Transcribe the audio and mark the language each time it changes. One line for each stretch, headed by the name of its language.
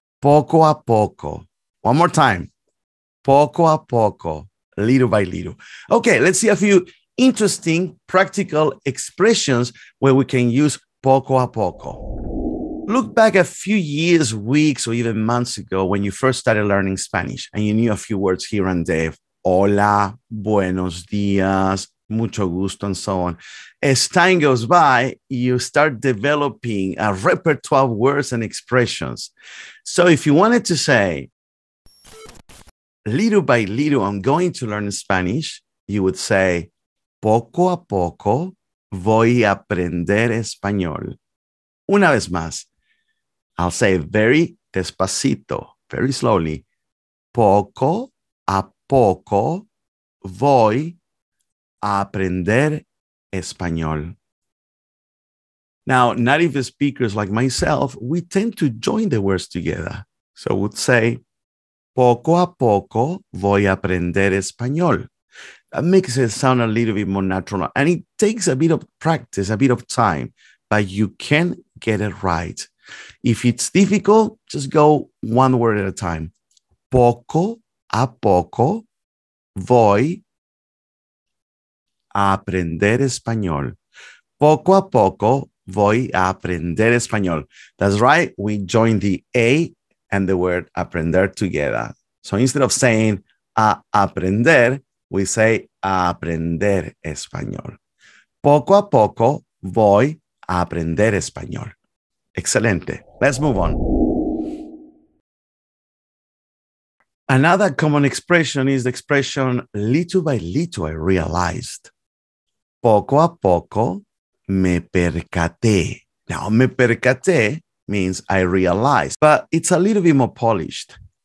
English: Poco a poco. One more time. Poco a poco. Little by little. Okay, let's see a few interesting practical expressions where we can use poco a poco. Look back a few years, weeks, or even months ago when you first started learning Spanish and you knew a few words here and there.
Spanish: Hola, buenos días, mucho gusto, and so on.
English: As time goes by, you start developing a repertoire of words and expressions. So if you wanted to say, little by little, I'm going to learn Spanish, you would say,
Spanish: poco a poco, voy a aprender español. Una vez más,
English: I'll say very despacito, very slowly.
Spanish: Poco a poco voy a aprender español.
English: Now, native speakers like myself, we tend to join the words together. So we'd say,
Spanish: poco a poco voy a aprender español.
English: That makes it sound a little bit more natural. And it takes a bit of practice, a bit of time, but you can get it right. If it's difficult, just go one word at a time.
Spanish: Poco a poco voy a aprender español. Poco a poco voy a aprender español.
English: That's right. We join the A and the word aprender together. So instead of saying a aprender, we say a aprender español.
Spanish: Poco a poco voy a aprender español. Excelente.
English: Let's move on. Another common expression is the expression little by little I realized.
Spanish: Poco a poco me percaté.
English: Now, me percaté means I realized, but it's a little bit more polished.